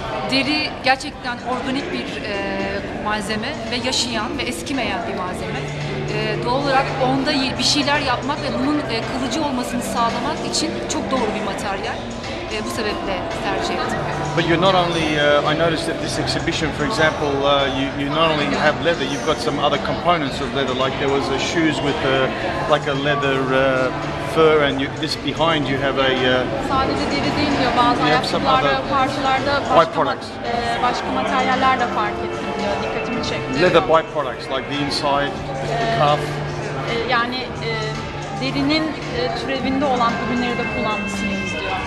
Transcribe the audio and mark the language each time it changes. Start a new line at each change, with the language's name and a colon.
Turkish: Deri gerçekten organik bir malzeme ve yaşayan ve eskimeyen bir malzeme. Doğal olarak onda bir şeyler yapmak ve bunun kılıcı olmasını sağlamak için çok doğru bir materyal. Bu sebeple tercih ettim.
English: But you're not only, I noticed that this exhibition, for example, you not only have leather, you've got some other components of leather, like there was a shoes with a leather fur, and this behind you have a...
Turkish: Sadece deri değil diyor, bazı ayakkabılarda, parçalarda, başka materyaller de fark ettim diyor, dikkatimi çekti.
English: Leather byproducts like the inside, the cuff.
Turkish: Yani derinin türevinde olan ürünleri de kullanmışsınız diyor.